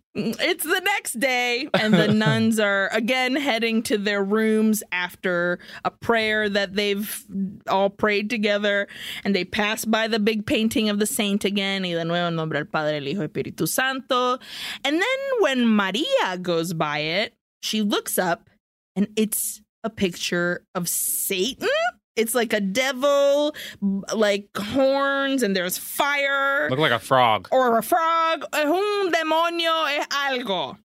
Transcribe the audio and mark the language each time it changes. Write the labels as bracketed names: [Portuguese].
[English] It's the next day, and the nuns are again heading to their rooms after a prayer that they've all prayed together, and they pass by the big painting of the saint again. [Spanish] Y de nuevo, en nombre del Padre, el Hijo, Espíritu Santo. [English] And then when Maria goes by it, she looks up, and it's a picture of Satan. It's like a devil, horns, and there's fire. Look like a frog. Or a frog. [Spanish] Es un demonio, es algo.